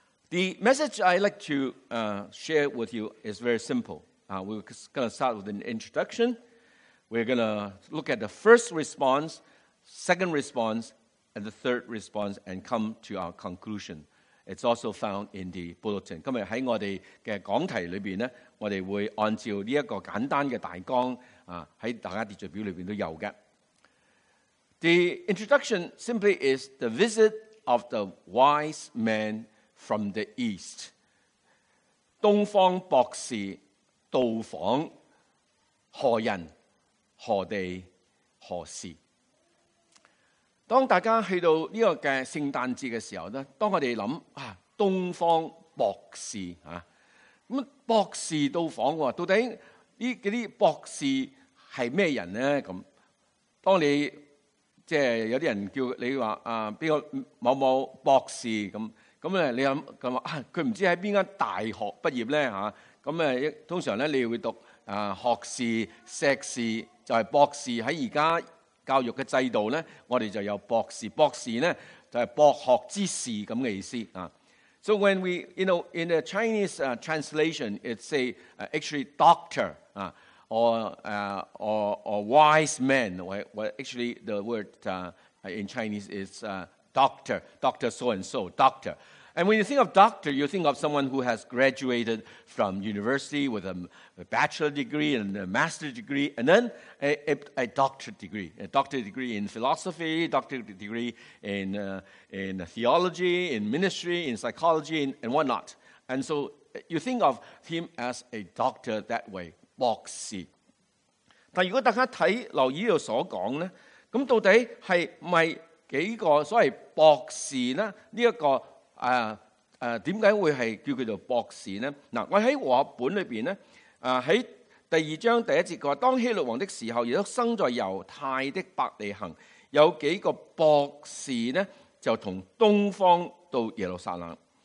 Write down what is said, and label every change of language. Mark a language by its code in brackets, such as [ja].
[en] The message I'd like to share with you is very simple. We're gonna start with an introduction. We're gonna look at the first response, second response, and the third response and come to our conclusion. It's also found in the bulletin. [yue] 今日喺我哋嘅講題裏面呢我们会按照这个简单的大纲、在大家秩序表里面都有的。 [en] The introduction simply is the visit of the wise man from the east. [yue] 东方博士到访何人、何地、何事。当大家去到这个圣诞节的时候当我们想、东方博士、博士到访喎，到底呢嗰啲博士系咩人咧？咁当你即系有啲人叫你话啊，边个某某博士咁咁咧？你谂佢话啊，佢唔知喺边间大学毕业咧吓？咁诶，通常咧你会读啊学士、硕士就系、是、博士。喺而家教育嘅制度咧，我哋就有博士。博士咧就系、是、博学之士咁嘅意思啊。 [en] So when we, you know, in the Chinese translation, it's say actually doctor or wise man. Well, actually, the word in Chinese is doctor, doctor so-and-so, doctor. And when you think of doctor, you think of someone who has graduated from university with a bachelor degree and a master degree, and then a doctorate degree. A doctorate degree in philosophy, doctorate degree in theology, in ministry, in psychology, and whatnot. And so you think of him as a doctor that way, 博士。 [yue] 但如果大家睇留意我所讲呢，咁到底系咪几个所谓博士呢？这个點解會係叫佢做博士呢？嗱，我喺和合本裏邊咧，喺第二章第一節佢話：當希律王的時候，亦都生在猶太的伯利恆，有幾個博士咧，就從東方到耶路撒冷。